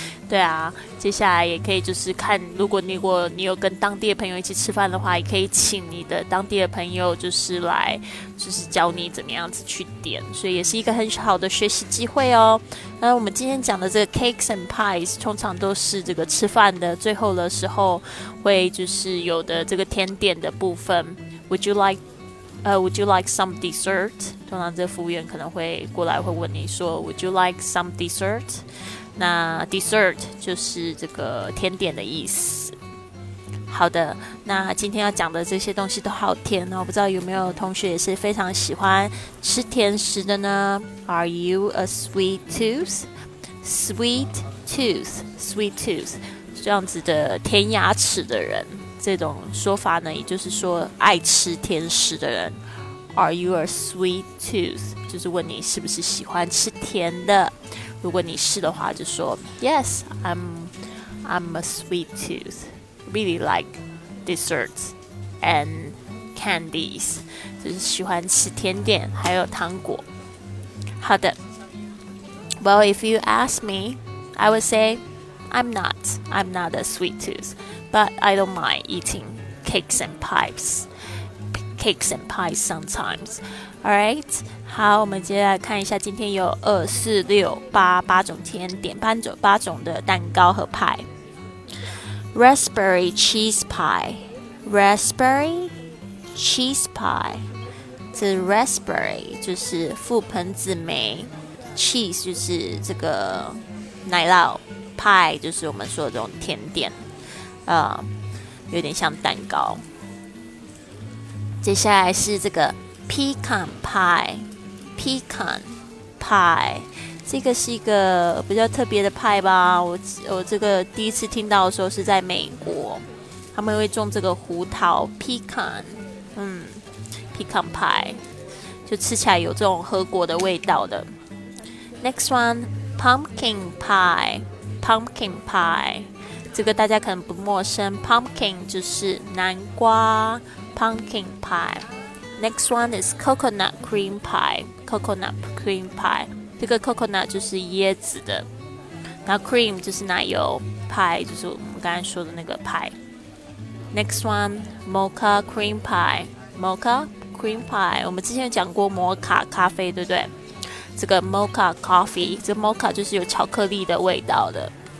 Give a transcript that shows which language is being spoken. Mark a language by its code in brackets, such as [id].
[zh] 对啊，接下来也可以就是看，如果你有跟当地的朋友一起吃饭的话，也可以请你的当地的朋友就是来就是教你怎么样子去点，所以也是一个很好的学习机会哦。那我们今天讲的这个 [en] cakes and pies [zh] 通常都是这个吃饭的最后的时候会就是有的这个甜点的部分。 [en] Would you like some dessert? [zh] 通常这服务员可能会过来会问你说 [en] Would you like some dessert? [zh] 那 dessert 就是这个甜点的意思。好的，那今天要讲的这些东西都好甜哦，不知道有没有同学也是非常喜欢吃甜食的呢？ [en] Are you a sweet tooth? [zh] Sweet tooth, sweet tooth， 这样子的甜牙齿的人，这种说法呢，也就是说爱吃甜食的人。 [en] Are you a sweet tooth? [zh] 就是问你是不是喜欢吃甜的。如果你是的话，就说 [en] Yes, I'm a sweet tooth. Really like desserts and candies. [zh] 就是喜欢吃甜点还有糖果。好的。 [en] Well, if you ask me, I would say I'm not a sweet tooth, but I don't mind eating cakes and pies. Cakes and pies sometimes. [zh] Alright, 好，我们接下来看一下，今天有2、4、6、8种甜点，8种的蛋糕和派。 [en] Raspberry cheese pie, raspberry cheese pie. [zh] 这 raspberry 就是覆盆子莓 ，cheese 就是这个奶酪 ，pie 就是我们说的这种甜点，有点像蛋糕。接下来是这个。 Pecan pie, pecan pie， 这个是一个比较特别的派吧。我这个第一次听到的时候是在美国，他们会种这个胡桃 pecan， pecan pie， 就吃起来有这种核果的味道的。 [en] Next one, [zh] pumpkin pie, pumpkin pie， 这个大家可能不陌生 ，pumpkin 就是南瓜 ，pumpkin pie。 [en] Next one is coconut cream pie. Coconut cream pie. [zh] 这个 coconut 就是椰子的，那 cream 就是奶油 ，pie 就是我们刚才说的那个 pie. [en] Next one, mocha cream pie. Mocha cream pie. [zh] 我们之前有讲过摩卡咖啡，对不对？这个 mocha coffee， 这 mocha 就是有巧克力的味道的。